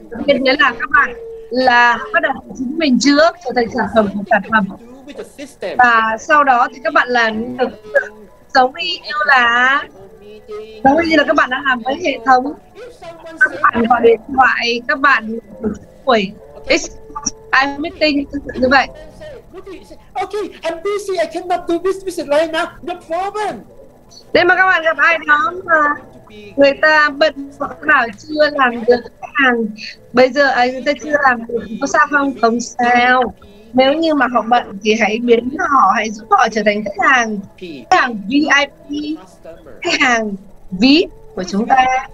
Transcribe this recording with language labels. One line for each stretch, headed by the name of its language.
Vietnamese: Thế nghĩa là các bạn là bắt đầu chính mình trước, trở thành sản phẩm của sản phẩm. Và sau đó thì các bạn là giống như là các bạn đã làm với hệ thống. Các bạn gọi điện thoại, các bạn buổi
English: I'm meeting
Vietnamese: như vậy.
English: Okay, I'm busy, I cannot do this business right now, no problem.
Vietnamese: Nếu mà các bạn gặp ai đó mà người ta bận bảo chưa làm được khách hàng bây giờ ấy, người ta chưa làm được, có sao không? Không sao. Nếu như mà họ bận thì hãy biến họ, hãy giúp họ trở thành khách hàng VIP, khách hàng VIP của chúng ta.